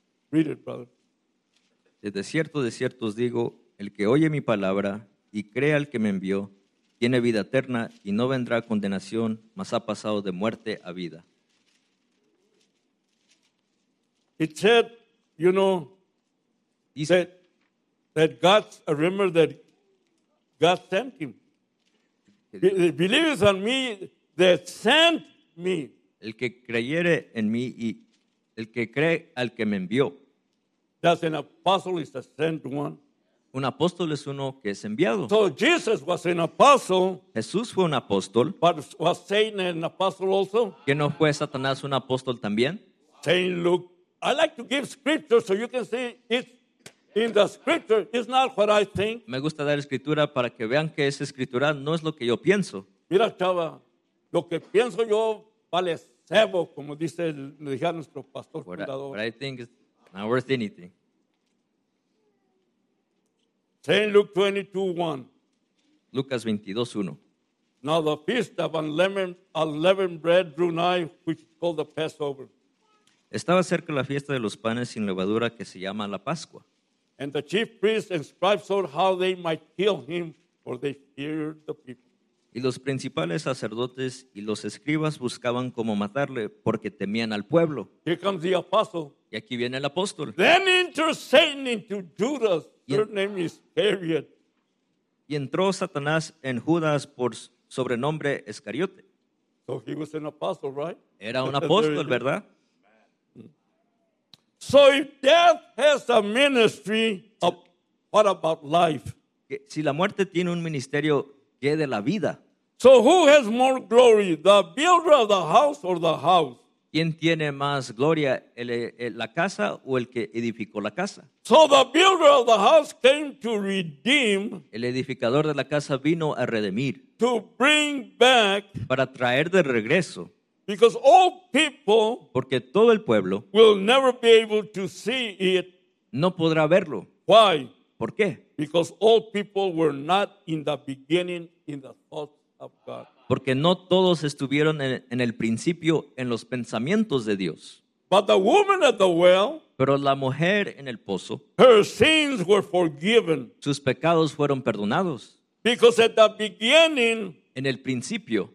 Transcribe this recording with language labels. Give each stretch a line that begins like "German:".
English: Read it, brother.
Spanish: De cierto os digo, el que oye mi palabra y cree al que me envió, tiene vida eterna y no vendrá condenación, mas ha pasado de muerte a vida.
English: It said, you know, that God, remember that God sent him. Believes on me that sent me.
Spanish: El que creyere en mí y el que cree al que me envió.
English: That's an apostle is a sent one.
Spanish: Un apóstol es uno que es enviado.
English: So Jesus was an apostle.
Spanish: Jesús fue un apóstol.
English: But was Satan an apostle also?
Spanish: ¿Que no fue Satanás un apóstol también?
English: Saint Luke, I like to give scripture so you can see it's in the scripture. It's not what I think.
Spanish: Me gusta dar escritura para que vean que es escritura, no es lo que yo pienso. Mira, chava, lo que pienso yo vale cebo, como dice le dije a nuestro pastor fundador.
English: But I think it's not worth anything. Saint Luke 22:1.
Spanish: Lucas 22:1.
English: Now the feast of unleavened bread drew nigh, which is called the Passover.
Spanish: Estaba cerca la fiesta de los panes sin levadura que se llama la Pascua.
English: And the chief priests and scribes thought how they might kill him, for they feared the people.
Spanish: Y los principales sacerdotes y los escribas buscaban cómo matarle porque temían al pueblo.
English: Here comes the apostle.
Spanish: Y aquí viene el apóstol.
English: Then enters Satan into Judas. Her name is Iscariot.
Spanish: Y entró Satanás en Judas por sobrenombre Iscariote.
English: So he was an apostle, right?
Spanish: Era un apóstol, ¿verdad?
English: So if death has a ministry, what about life?
Spanish: Si la muerte tiene un ministerio, ¿qué de la vida?
English: So who has more glory, the builder of the house or the house?
Spanish: ¿Quién tiene más gloria, la casa o el que edificó la casa?
English: So the builder of the house came to redeem.
Spanish: El edificador de la casa vino a redimir.
English: To bring back.
Spanish: Para traer de regreso.
English: Because all people.
Spanish: Porque todo el pueblo.
English: Will never be able to see it.
Spanish: No podrá verlo.
English: Why?
Spanish: ¿Por qué?
English: Because all people were not in the beginning in the thoughts of God.
Spanish: Porque no todos estuvieron en el principio en los pensamientos de Dios.
English: But the woman at the well,
Spanish: pero la mujer en el pozo,
English: her sins were forgiven.
Spanish: Sus pecados fueron perdonados.
English: Because at the beginning,
Spanish: en el principio,